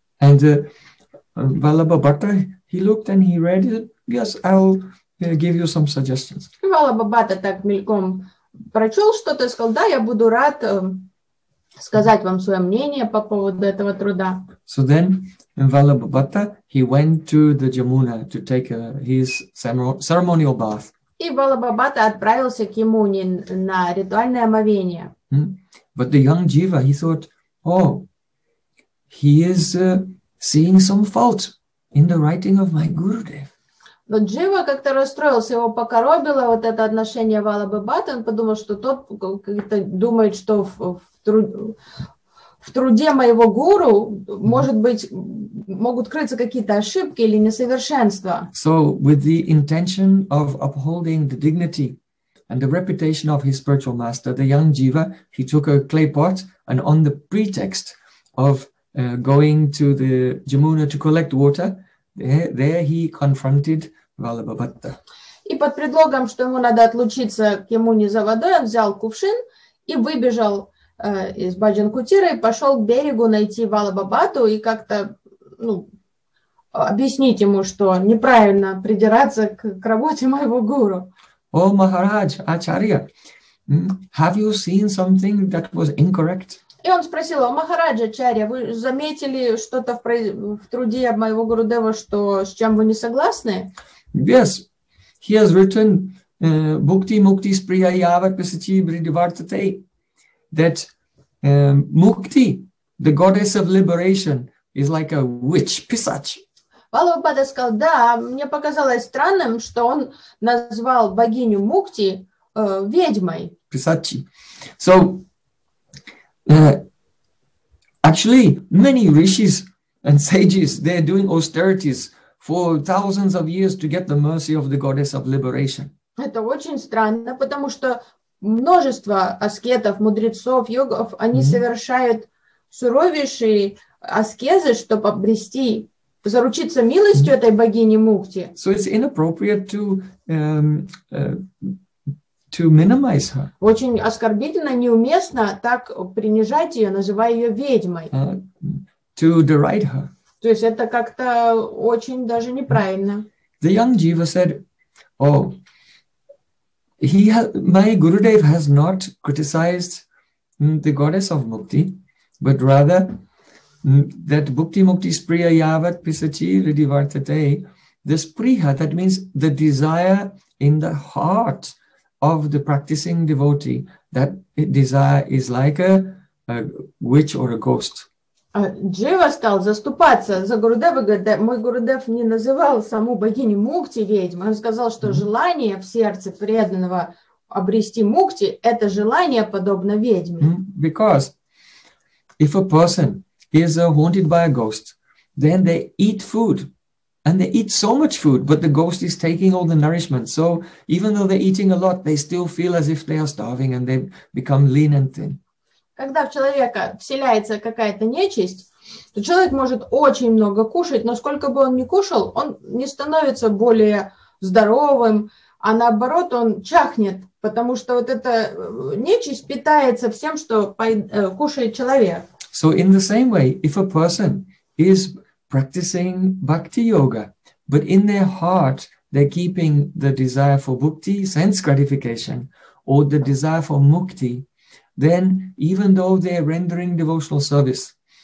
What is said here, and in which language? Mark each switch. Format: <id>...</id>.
<en>And Vallabhabhatta, he looked and he read it. Yes, I'll give you some suggestions.</en> <ru>Vallabhabhatta так мельком прочел что-то и сказал, да, я буду рад сказать вам свое мнение по поводу этого труда.</ru> <en>So then, in Vallabhabhatta, he went to the Jamuna to take his ceremonial bath.</en> <ru>И Vallabhabhatta отправился к Ямуне на ритуальное омовение.</ru> <en>But the young Jiva, he thought, oh, he is seeing some fault in the writing of my Gurudev.</en> <ru>Но Джива как-то расстроился, его покоробило вот это отношение Vallabhabhatta. Он подумал, что тот как-то думает, что в труде моего гуру, может быть, могут крыться какие-то ошибки или несовершенства.</ru> <en>So, with the intention of upholding the dignity and the reputation of his spiritual master, the young Jiva, he took a clay pot and on the pretext of going to the Jamuna to collect water, there he confronted Vallabhabhatta.</en> <ru>И под предлогом, что ему надо отлучиться к Ямуне за водой, он взял кувшин и выбежал из Баджан-Кутира и пошел к берегу найти Vallabhabhatta и как-то объяснить ему, что неправильно придираться к работе моего гуру.</ru> <en>О, Махарадж, Ачарья, have you seen something that was incorrect?</en> <ru>И он спросил, о, Махарадж, Ачарья, вы заметили что-то в труде моего гуру Дева, что с чем вы не согласны?</ru> <en>Yes, he has written</en> <sa>Bhukti Mukti Spriya Yava Pisati Bridivartate.</sa> <en>That Mukti, the goddess of liberation, is like a witch, pisach.</en> <ru>Vallabhabhatta сказал, да, мне показалось странным, что он назвал богиню Мукти ведьмой. Писачи.</ru> <en>So, actually, many rishis and sages, they're doing austerities for thousands of years to get the mercy of the goddess of liberation.</en> <ru>Это очень странно, потому что множество аскетов, мудрецов, йогов, они совершают суровейшие аскезы, чтобы обрести, заручиться милостью этой богини Мукти.</ru> <en>So it's inappropriate to minimize her.</en> <ru>Очень оскорбительно, неуместно так принижать ее, называя ее ведьмой.</ru> <en>To deride her.</en> <ru>То есть это как-то очень даже неправильно.</ru> <en>The young Jiva said, oh, my Gurudev has not criticized the goddess of Mukti, but rather that</en> <sa>Bhukti Mukti Spriya Yavat Pisachi Ridivartate,</sa> <en>the Spriha, that means the desire in the heart of the practicing devotee, that desire is like a a witch or a ghost.</en> <ru>Джива стал заступаться за Гурудева, говорит, мой Гурудев не называл саму богиню Мукти ведьмой, он сказал, что желание в сердце преданного обрести Мукти – это желание подобно ведьме.</ru> <en>Because if a person is haunted by a ghost, then they eat food, and they eat so much food, but the ghost is taking all the nourishment. So even though they're eating a lot, they still feel as if they are starving, and they become lean and thin.</en> <ru>Когда в человека вселяется какая-то нечисть, то человек может очень много кушать, но сколько бы он ни кушал, он не становится более здоровым, а наоборот, он чахнет, потому что вот эта нечисть питается всем, что кушает человек.</ru> <en>So in the same way, if a person is practicing bhakti yoga, but in their heart they're keeping the desire for bhakti, sense gratification, or the desire for mukti, then even though they're rendering devotional service,</en>